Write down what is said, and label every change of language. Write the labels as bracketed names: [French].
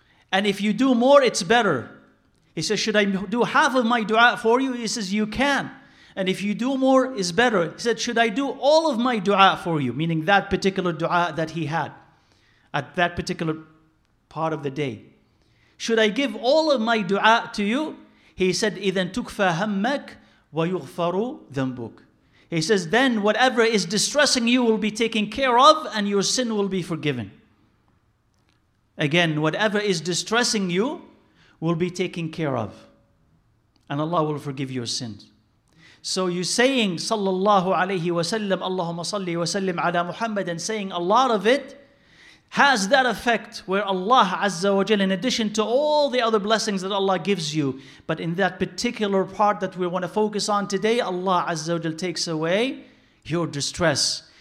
[English] And if you do more, it's better. He says, should I do half of my dua for you? He says, you can. And if you do more, it's better. He said, should I do all of my dua for you? Meaning that particular dua that he had at that particular part of the day. Should I give all of my dua to you? He said, [Arabic] إِذَنْ تُكْفَى هَمَّكْ وَيُغْفَرُ ذَنْبُكْ. [English] He says, then whatever is distressing you will be taken care of and your sin will be forgiven. Again, whatever is distressing you will be taken care of. And Allah will forgive your sins. So you saying, sallallahu alayhi wa sallam, [Arabic] Allahumma salli wa sallim ala Muhammad, [English] and saying a lot of it has that effect where Allah azza wa jal, in addition to all the other blessings that Allah gives you, but in that particular part that we want to focus on today, Allah azza wa jal takes away your distress.